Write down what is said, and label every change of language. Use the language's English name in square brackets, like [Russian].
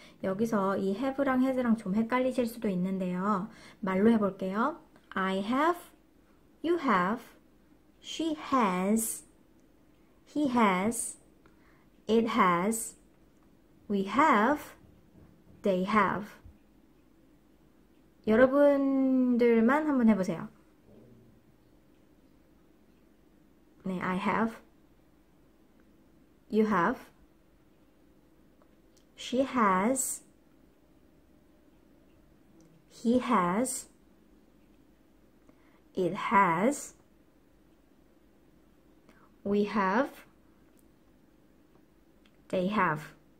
[Korean] 여기서 이 have랑 has랑 좀 헷갈리실 수도 있는데요. 말로 해볼게요. [English] I have, you have, she has, he has, it has, we have, they have. [Korean] 여러분들만 한번 해보세요. [English] 네, I have, you have, she has, he has, it has, we have, they have.